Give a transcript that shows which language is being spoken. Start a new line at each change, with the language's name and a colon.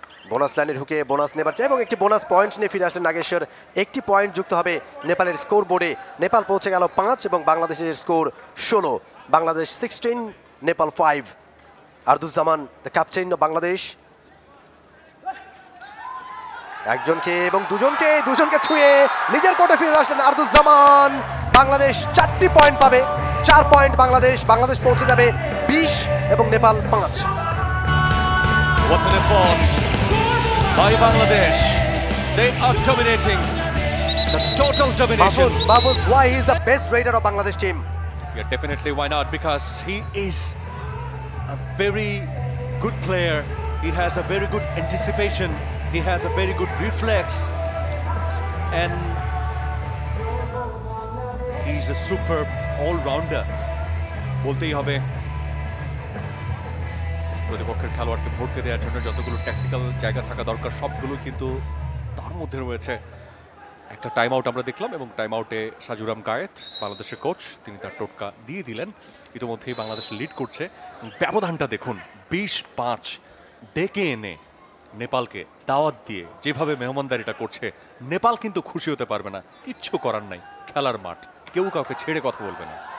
Bangla: Bonus লাইনে ঢুকে bonus নেবার চাই এবং একটি বোনাস পয়েন্ট নিয়ে ফিরে আসলেন নাগেশ্বর একটি পয়েন্ট যুক্ত হবে নেপালের স্কোর বোর্ডে নেপাল পৌঁছে গেল 5 এবং বাংলাদেশের score 16 Bangladesh 16 Nepal 5 আরদুজ্জামান
English: the captain of Bangladesh
Bangla: একজনকে এবং দুজনকে দুজনকে ছুঁয়ে নিজের কোর্টে ফিরে আসলেন আরদুজ্জামান বাংলাদেশ 4টি পয়েন্ট পাবে 4 পয়েন্ট বাংলাদেশ বাংলাদেশ পৌঁছে যাবে 20 এবং Nepal 5
English: What an effort by Bangladesh. They are dominating. The total domination. Babus, why he is the best raider of Bangladesh team? Yeah, definitely, why not? Because he is a very good player. He has a very good anticipation. He has a very good reflex. And he's a superb all-rounder.
Bangla: Boltei hobe. প্রতিপক্ষের খেলোয়াড়কে ভরকে দেওয়ার জন্য যতগুলো tactical জায়গা থাকা দরকার সবগুলো কিন্তু তার মধ্যে রয়েছে একটা টাইম আউট আমরা দেখলাম এবং টাইম আউটে সাজুরাম গায়েত বাংলাদেশের কোচ তিনি তার টোটকা দিয়ে দিলেন ইতিমধ্যেই বাংলাদেশ লিড করছে ব্যবধানটা দেখুন 20-5 ডেকে এনে নেপালকে দাওয়াত দিয়ে যেভাবে মেহমানদারিটা করছে নেপাল কিন্তু খুশি হতে পারবে না কিচ্ছু করার নাই খেলার মাঠ কেউ কাউকে ছেড়ে কথা বলবে না